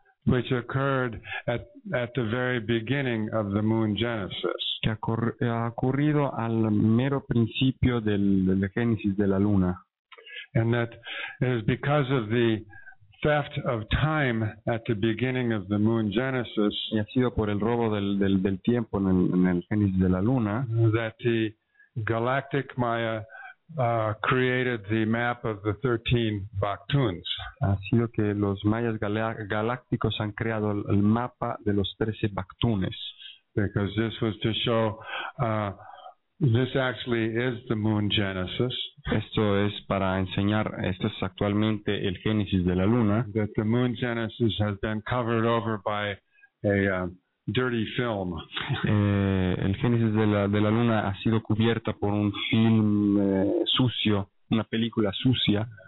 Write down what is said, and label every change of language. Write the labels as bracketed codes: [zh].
[en] which occurred at the very beginning of the moon Genesis. [es] Que ha ocurrido al mero principio del génesis de la luna. [en] And that is because of the theft of time at the beginning of the moon Genesis. [es] Y ha sido por el robo del tiempo en el génesis de la luna. [en] That the galactic Maya created the map of the 13 Bakhtuns. [es] Ha sido que los mayas galácticos han creado el mapa de los 13 Bakhtunes. [en] Because this was to show, this actually is the moon Genesis. [es] Esto es para enseñar, esto es actualmente el génesis de la luna. [en] That the moon Genesis has been covered over by a dirty film. [es] El génesis de la luna ha sido cubierta por un film sucio, una película sucia.